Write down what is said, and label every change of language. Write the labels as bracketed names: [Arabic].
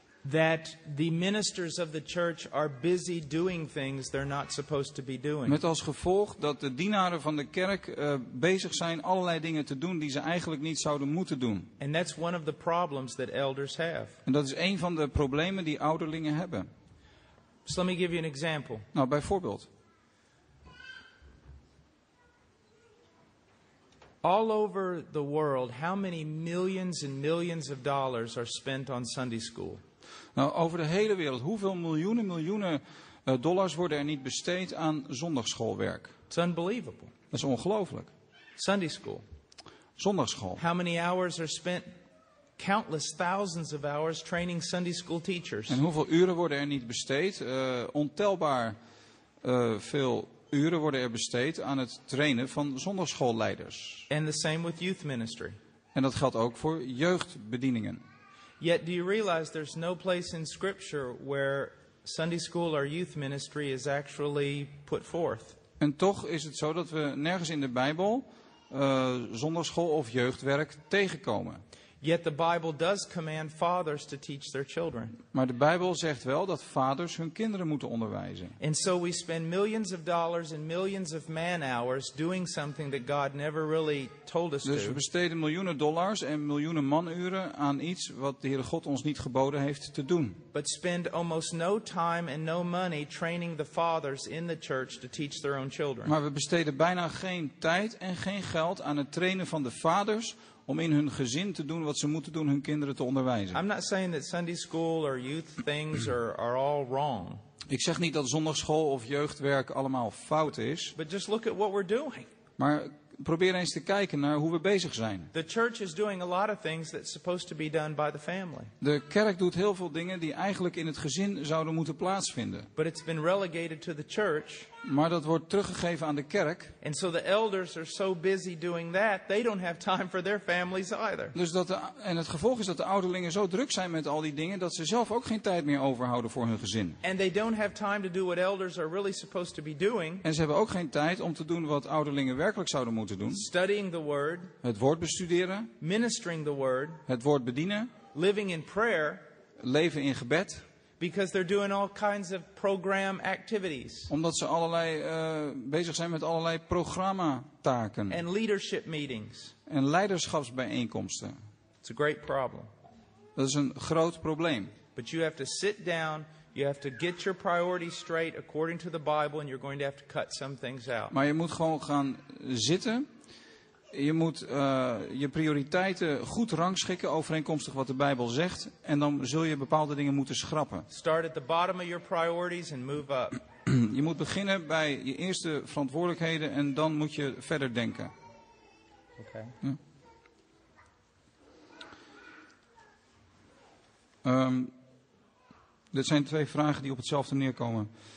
[English] That the ministers of the church are busy doing things they're not supposed to be doing. [Dutch] Met als gevolg dat de dienaren van de kerk bezig zijn allerlei dingen te doen die ze eigenlijk niet zouden moeten doen. [English] And that's one of the problems that elders have. [Dutch] En dat is een van de problemen die ouderlingen hebben. [English] So let me give you an example. [Dutch] Nou, bijvoorbeeld. [English] All over the world, how many millions and millions of dollars are spent on Sunday school? [Dutch] Nou, over de hele wereld, hoeveel miljoenen dollars worden er niet besteed aan zondagsschoolwerk? [English] It's unbelievable. [Dutch] Dat is ongelooflijk. [English] Sunday school. [Dutch] Zondagsschool. [English] How many hours are spent, countless thousands of hours training Sunday school teachers? [Dutch] En hoeveel uren worden er niet besteed? Ontelbaar veel uren worden er besteed aan het trainen van zondagsschoolleiders. [English] And the same with youth ministry. [Dutch] En dat geldt ook voor jeugdbedieningen. [English] Yet do you realize there's no place in scripture where Sunday school or youth ministry is actually put forth. [Dutch] En toch is het zo dat we nergens in de Bijbel zondagsschool of jeugdwerk tegenkomen. [English] Yet the Bible does command fathers to teach their children. [Dutch] Maar de Bijbel zegt wel dat vaders hun kinderen moeten onderwijzen. [English] And so we spend millions of dollars and millions of man hours doing something that God never really told us to. [Dutch] Dus we besteden miljoenen dollars en miljoenen manuren aan iets wat de Heere God ons niet geboden heeft te doen. [English] But spend almost no time and no money training the fathers in the church to teach their own children. [Dutch] Maar we besteden bijna geen tijd en geen geld aan het trainen van de vaders om in hun gezin te doen wat ze moeten doen, hun kinderen te onderwijzen. [English] I'm not saying that Sunday school or youth things are all wrong. [Dutch] Ik zeg niet dat zondagsschool of jeugdwerk allemaal fout is. [English] But just look at what we're doing. [Dutch] Maar probeer eens te kijken naar hoe we bezig zijn. [English] The church is doing a lot of things that's supposed to be done by the family. [Dutch] De kerk doet heel veel dingen die eigenlijk in het gezin zouden moeten plaatsvinden. [English] But it's been relegated to the church. [Dutch] Maar dat wordt teruggegeven aan de kerk. [English] And so the elders are so busy doing that, they don't have time for their families either. [Dutch] Dus en het gevolg is dat de ouderlingen zo druk zijn met al die dingen dat ze zelf ook geen tijd meer overhouden voor hun gezin. [English] And they don't have time to do what elders are really supposed to be doing. [Dutch] En ze hebben ook geen tijd om te doen wat ouderlingen werkelijk zouden moeten doen. [English] Studying the word. [Dutch] Het woord bestuderen. [English] Ministering the word. [Dutch] Het woord bedienen. [English] Living in prayer. [Dutch] Leven in gebed. [English] Because they're doing all kinds of program activities. [Dutch] Omdat ze allerlei bezig zijn met allerlei programmataken. [English] And leadership meetings. [Dutch] En leiderschapsbijeenkomsten. [English] It's a great problem. [Dutch] Dat is een groot probleem. [English] But you have to sit down. You have to get your priorities straight according to the Bible, and you're going to have to cut some things out. [Dutch] Maar je moet gewoon gaan zitten. Je moet je prioriteiten goed rangschikken overeenkomstig wat de Bijbel zegt. En dan zul je bepaalde dingen moeten schrappen. [English] Start at the bottom of your priorities and move up. [Dutch] Je moet beginnen bij je eerste verantwoordelijkheden en dan moet je verder denken. [English] Okay. Ja. [Dutch] Dit zijn twee vragen die op hetzelfde neerkomen.